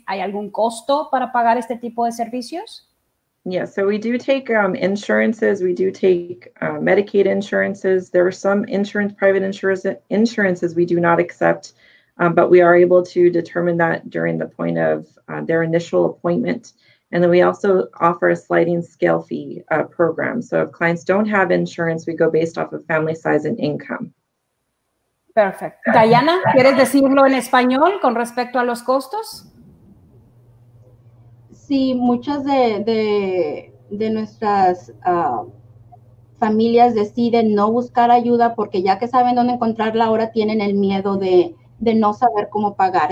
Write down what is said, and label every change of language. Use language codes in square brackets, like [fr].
[es] ¿Hay algún costo para pagar este tipo de servicios? [en] Yeah, so we do take insurances. We do take Medicaid insurances. There are some insurance, private insurances we do not accept, but we are able to determine that during the point of their initial appointment. And then we also offer a sliding scale fee program. So if clients don't have insurance, we go based off of family size and income. Perfect. [es] Diana, ¿quieres decirlo en español con respecto a los costos? Sí, muchas de nuestras familias deciden no buscar ayuda porque ya que saben dónde encontrarla, ahora tienen el miedo de no saber cómo pagar.